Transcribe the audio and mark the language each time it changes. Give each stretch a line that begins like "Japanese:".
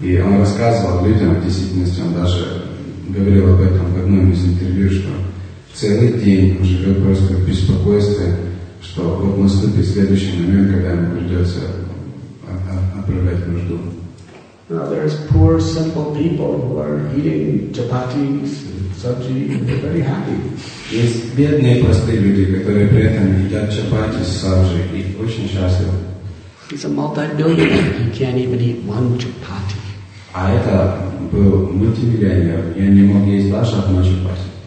Russian: И он рассказывал людям, в действительности он даже говорил об этом в одном из интервью, что целый день он живет просто в беспокойстве, что вот наступит следующий момент, когда ему придется отправлять нужду.
English: Now there's poor, simple people who are eating chapatis and sabji, and they're very happy.
Russian: Есть бедные простые люди, которые при этом едят чапати с сабжи и очень счастливы.
English: He's a multi-billionaire. He can't even eat one chapati.
Russian: А это был мультимиллионер. Я не мог есть даже одну чапати.